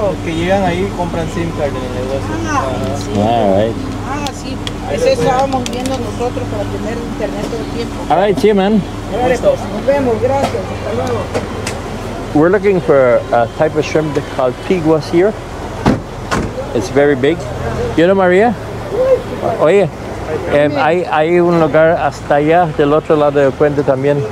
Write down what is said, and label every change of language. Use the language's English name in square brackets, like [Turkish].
[Spanish] Que llegan ahí y compran SIM card en el negocio. Ah, sí. [English] All right. [Spanish] Ah, sí. Ese estábamos viendo nosotros para tener internet todo el tiempo. [English] All right, see you, man. [Spanish] Vale, pues, nos vemos. Gracias. Hasta luego. [English] We're looking for a type of shrimp called piguas here. It's very big. You know, Maria? Oye. [Spanish] Hay un lugar hasta allá del otro lado del puente también.